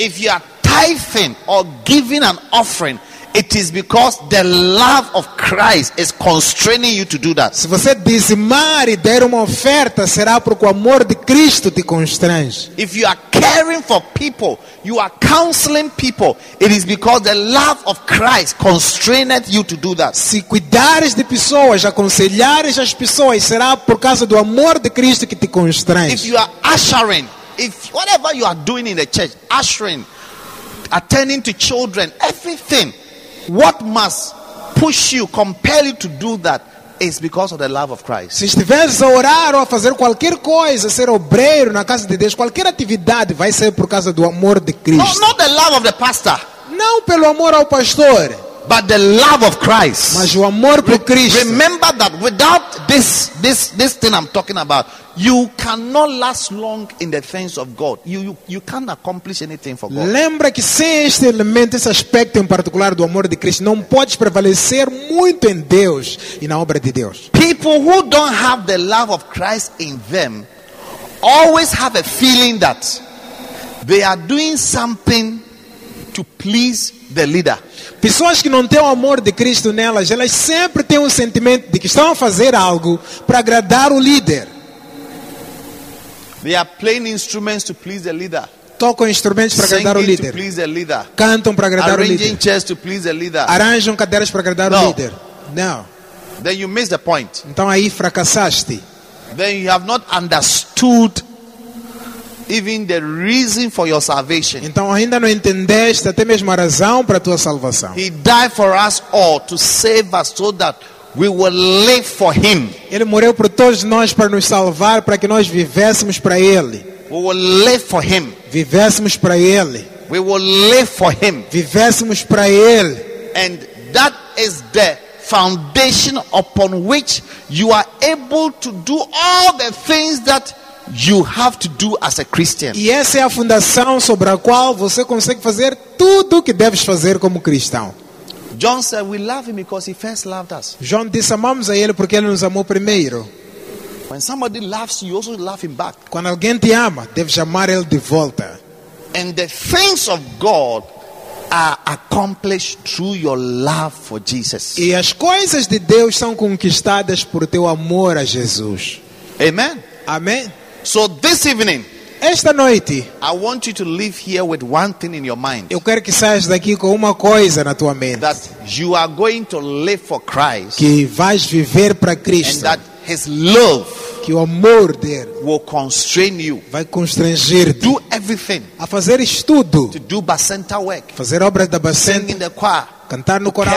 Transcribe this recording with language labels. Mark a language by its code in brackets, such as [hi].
[en] If you are tithing or giving an offering, it is because the love of Christ is constraining you to do that. [pt] Se você dizimar e der uma oferta, será porque o amor de Cristo te constrange. [en] If you are caring for people, you are counseling people, it is because the love of Christ constrained you to do that. [pt] Se cuidares de pessoas, aconselhares as pessoas, será por causa do amor de Cristo que te constrange. [en] If you are ushering, if whatever you are doing in the church, ushering, attending to children, everything, what must push you, compel you to do that is because of the love of Christ. [pt] Se estiveres a orar ou a fazer qualquer coisa, ser obreiro na casa de Deus, qualquer atividade vai ser por causa do amor de Cristo. [en] No, not the love of the pastor. [pt] Não pelo amor ao pastor, [en] but the love of Christ. [pt] Mas o amor por Cristo. [en] Remember that without this thing I'm talking about, you cannot last long in the things of God. You can't accomplish anything for God. [pt] Lembra que sem este elemento, esse aspecto em particular do amor de Cristo, não podes prevalecer muito em Deus e na obra de Deus. [en] People who don't have the love of Christ in them always have a feeling that they are doing something to please the leader. [pt] Pessoas que não têm o amor de Cristo nelas, elas sempre têm um sentimento de que estão a fazer algo para agradar o líder. [en] They are playing instruments to please the leader. [pt] Tocam instrumentos para agradar o líder. [en] To please the leader. [pt] Cantam para agradar [en] arranging [pt] o líder. [en] Arranging chairs to please the leader. [pt] Arranjam cadeiras para agradar [en] no. [pt] o líder. Não. [en] Then you miss the point. [pt] Então aí fracassaste. [en] Then you have not understood even the reason for your salvation. [pt] Então ainda não entendeste até mesmo a razão para a tua salvação. [en] He died for us all to save us so that we will live for Him. [pt] Ele morreu por todos nós para nos salvar, para que nós vivêssemos para Ele. [en] We will live for Him. [pt] Vivêssemos para Ele. [en] We will live for Him. [pt] Vivêssemos para Ele. [en] And that is the foundation upon which you are able to do all the things that you have to do as a Christian. [pt] E essa é a fundação sobre a qual você consegue fazer tudo o que deves fazer como cristão. [en] John said, "We love Him because He first loved us." [pt] John disse, amamos a Ele porque Ele nos amou primeiro. [en] When somebody loves you, you also love him back. [pt] Quando alguém te ama, deve amar ele de volta. [en] And the things of God are accomplished through your love for Jesus. [pt] E as coisas de Deus são conquistadas por teu amor a Jesus. Amen. Amen. [en] So this evening, [pt] esta noite, [en] I want you to leave here with one thing in your mind. [pt] Eu quero que saias daqui com uma coisa na tua mente. [en] That you are going to live for Christ. [pt] Que vais viver para Cristo. [en] And that His love [pt] que o amor dele [en] will constrain you, [pt] vai constranger-te, [en] do everything, [pt] a fazer estudo, [en] to do bacenta work, [pt] fazer obras da bacenta, [en] sing in the choir, [pt] cantar no coral,